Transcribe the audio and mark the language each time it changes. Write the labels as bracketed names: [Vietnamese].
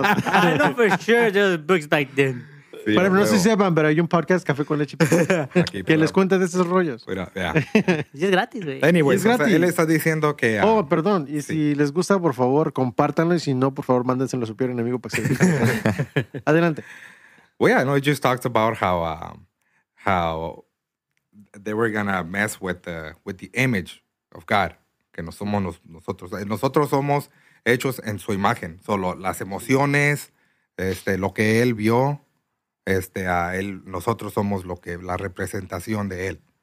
[English] I know for sure there's books back then. [Spanish] Sí, pero no sé si sepan, pero hay un podcast Café con Leche que les cuenta de esos rollos. Mira, y es gratis, güey. [English] Anyway, [Spanish] es gratis. O sea, él está diciendo que... Oh, perdón. Y sí. Si les gusta, por favor, compártanlo. Y si no, por favor, mándenselo a su peor enemigo para que se... Adelante. [English] Well, yeah, no, it just talked about how they were going to mess with the image of God, [Spanish] que no somos nosotros. Nosotros somos hechos en su imagen. Solo las emociones, lo que él vio... a él, nosotros somos lo que la representación de él.